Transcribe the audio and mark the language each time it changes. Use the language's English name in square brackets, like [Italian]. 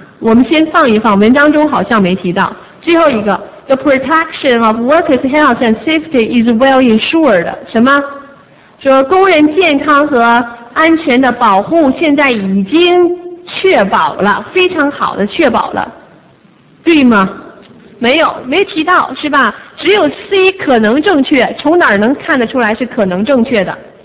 [Chinese] 我们先放一放，文章中好像没提到。最后一个， [English] The protection of workers' health and safety is well insured， [Chinese] 什么？说工人健康和安全的保护现在已经确保了，非常好的确保了，对吗？没有，没提到，是吧？只有 C 可能正确，从哪儿能看得出来是可能正确的？